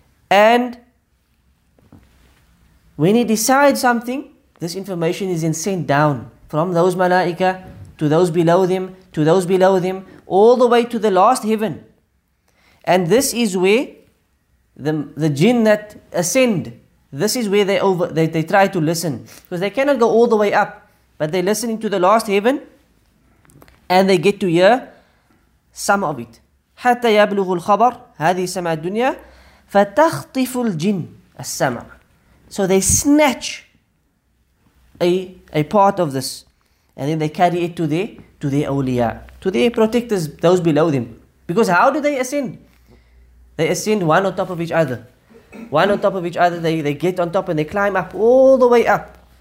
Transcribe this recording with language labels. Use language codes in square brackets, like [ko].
[en] And when He decides something, this information is then sent down from those malaika to those below them, to those below them, all the way to the last heaven. And this is where the jinn that ascend, this is where they try to listen. Because they cannot go all the way up, but they listen into the last heaven and they get to hear some of it. [ar] حتى يبلغ الخبر هذه سماء الدنيا فتخطف الجن السمع. [en] So they snatch a part of this and then they carry it to their awliya, to their protectors, those below them. Because how do they ascend? They ascend one on top of each other. One on top of each other, they get on top and they climb up all the way up.